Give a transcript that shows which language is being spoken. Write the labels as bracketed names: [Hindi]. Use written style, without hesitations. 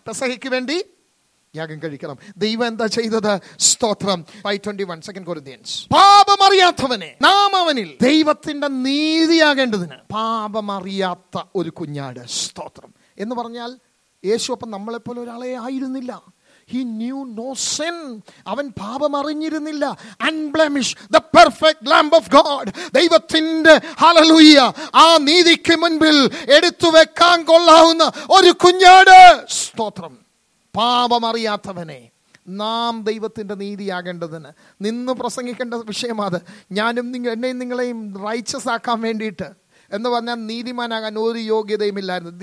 [Malayalam] പെസഹയ്ക്ക് വേണ്ടി യാഗം കഴിക്കണം. ദൈവം എന്താ ചെയ്തത്? സ്തോത്രം. [English] 5:21 2 Corinthians. [Malayalam] പാപമറിയാത്തവനെ നാം അവനിൽ ദൈവത്തിന്റെ നീതിയാകേണ്ടതിന്. പാപമറിയാത്ത ഒരു കുഞ്ഞാട്. സ്തോത്രം. എന്ന് പറഞ്ഞാൽ യേശു അപ്പം നമ്മളെപ്പോലെ ഒരാളെ ആയിരുന്നില്ല. [English] He knew no sin. [Malayalam] അവൻ പാപം അറിഞ്ഞിരുന്നില്ല. [English] Unblemished, the perfect lamb of God. [Malayalam] ദൈവത്തിന്റെ ഹല്ലേലൂയ, ആ നീതിക്ക് മുൻപിൽ എടുത്തു വെക്കാൻ കൊള്ളാവുന്ന ഒരു കുഞ്ഞാട്. സ്തോത്രം. പാപമറിയാത്തവനെ നാം ദൈവത്തിന്റെ നീതിയാകേണ്ടതിന്. നിന്ന് പ്രസംഗിക്കേണ്ട വിഷയമാത്. ഞാനും നിങ്ങൾ എന്നെയും നിങ്ങളെയും righteous ആക്കാൻ വേണ്ടിയിട്ട് എന്ന് പറഞ്ഞാൽ നീതിമാനാകാൻ ഒരു യോഗ്യതയും ഇല്ലായിരുന്നു.